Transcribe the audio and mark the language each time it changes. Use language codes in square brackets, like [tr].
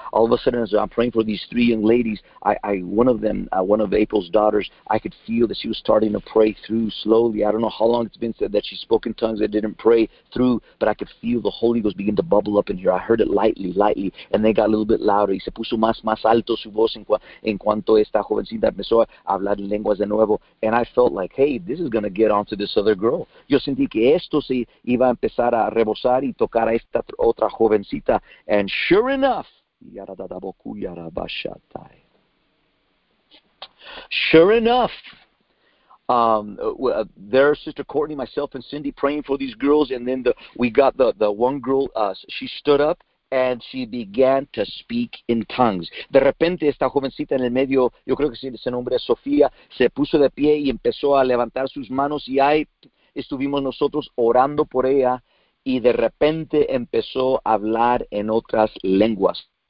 [en] All of a sudden, as I'm praying for these three young ladies, one of April's daughters, I could feel that she was starting to pray through slowly. I don't know how long it's been that she spoke in tongues and didn't pray through, but I could feel the Holy Ghost begin to bubble up in here. I heard it lightly, and they got a little bit louder. [es] Y se puso más alto su voz en cuanto esta jovencita empezó a hablar en lenguas de nuevo. [en] And I felt like, hey, this is going to get onto this other girl. [es] Yo sentí que esto se iba a empezar a rebosar y tocar a esta otra jovencita. [en] And sure enough, there's Sister Courtney, myself, and Cindy praying for these girls. And then we got the one girl, she stood up. And she began to speak in tongues. [es] De repente, esta jovencita en el medio, yo creo que su nombre es Sofía, se puso de pie y empezó a levantar sus manos. Y ahí estuvimos nosotros orando por ella. Y de repente empezó a hablar en otras lenguas.